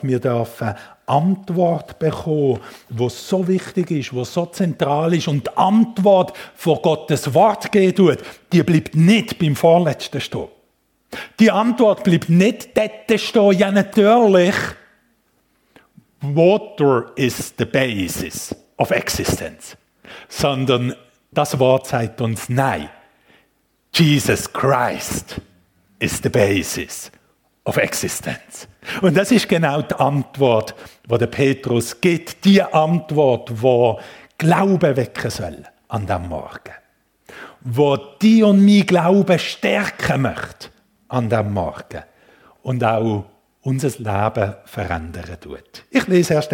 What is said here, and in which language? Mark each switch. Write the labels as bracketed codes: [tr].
[de] Wir dürfen Antwort bekommen, wo so wichtig ist, wo so zentral ist. Und die Antwort von Gottes Wort geht tut, die bleibt nicht beim Vorletzten stehen. Die Antwort bleibt nicht dort stehen, ja natürlich. [en] Water is the basis of existence. [de] Sondern das Wort sagt uns nein. [en] Jesus Christ is the basis of existence. [de] Und das ist genau die Antwort, die der Petrus gibt. Die Antwort, die Glauben wecken soll an diesem Morgen. Wo die und mein Glauben stärken möchte an diesem Morgen. Und auch unser Leben verändern tut. Ich lese 1.